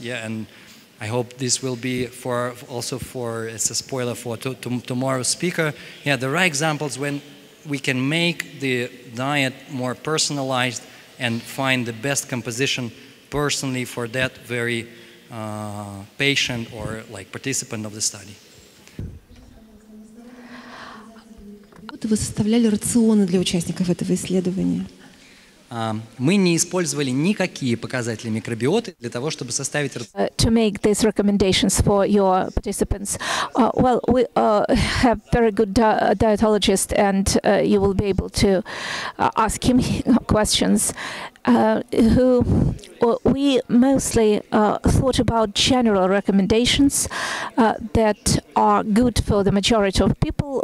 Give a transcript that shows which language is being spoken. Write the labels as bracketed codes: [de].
[en] Yeah, and I hope this will be for tomorrow's speaker. Yeah, there are examples when we can make the diet more personalized and find the best composition personally for that very patient or like participant of the study. [ru] Вы составляли рационы для участников этого исследования? Мы не использовали никакие показатели микробиоты для того, чтобы составить рацион. [en] To make these recommendations for your participants, well, we have very good dietologist, and you will be able to ask him questions. We mostly thought about general recommendations that are good for the majority of people.